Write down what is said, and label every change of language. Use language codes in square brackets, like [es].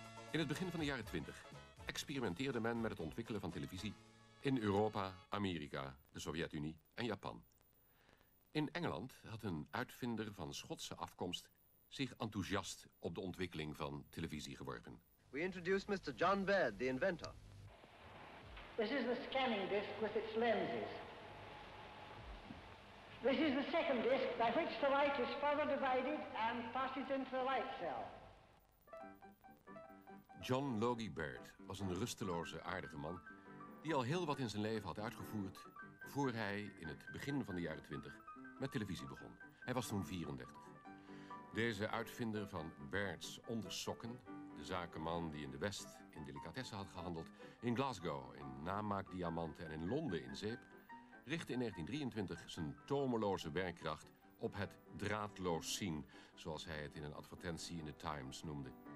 [nl] In het begin van de jaren 20 experimenteerde men met het ontwikkelen van televisie in Europa, Amerika, de Sovjet-Unie en Japan. In Engeland had een uitvinder van Schotse afkomst zich enthousiast op de ontwikkeling van televisie geworpen. [en] We introduce Mr. John Baird, the inventor. This is the scanning disc with its lenses. This is the second disc by which the light is further divided and passes into the light cell. [nl] John Logie Baird was een rusteloze, aardige man die al heel wat in zijn leven had uitgevoerd voor hij in het begin van de jaren 20 met televisie begon. Hij was toen 34. Deze uitvinder van Baird's ondersokken, de zakenman die in de West in delicatessen had gehandeld, in Glasgow in namaakdiamanten en in Londen in zeep, richtte in 1923 zijn tomeloze werkkracht op het draadloos zien, zoals hij het in een advertentie in de Times noemde.